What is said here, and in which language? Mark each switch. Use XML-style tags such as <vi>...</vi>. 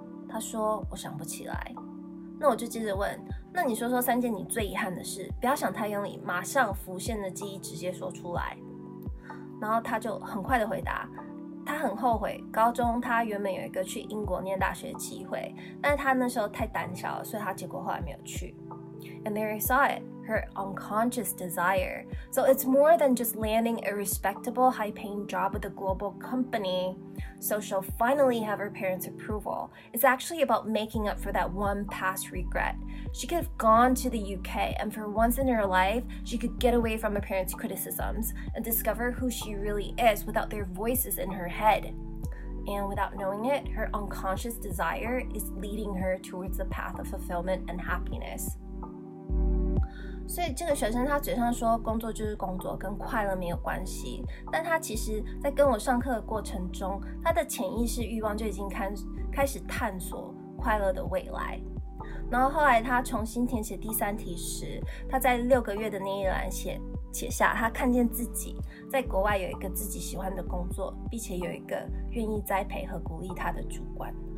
<zh>他说我想不起来。那我就接着问，那你说说三件你最遗憾的事，不要想太用力，马上浮现的记忆直接说出来。然后他就很快的回答，他很后悔高中他原本有一个去英国念大学的机会，但是他那时候太胆小了，所以他结果后来没有去。</zh> <en>And there I saw it, her unconscious desire. So it's more than just landing a respectable high paying job with a global company so she'll finally have her parents' approval. It's actually about making up for that one past regret. She could have gone to the UK and for once in her life, she could get away from her parents' criticisms and discover who she really is without their voices in her head. And without knowing it, her unconscious desire is leading her towards the path of fulfillment and happiness.</en> <zh>所以这个学生他嘴上说工作就是工作，跟快乐没有关系，但他其实在跟我上课的过程中，他的潜意识欲望就已经开始探索快乐的未来。然后后来他重新填写第三题时，他在六个月的那一栏写下他看见自己在国外有一个自己喜欢的工作，并且有一个愿意栽培和鼓励他的主管。</zh>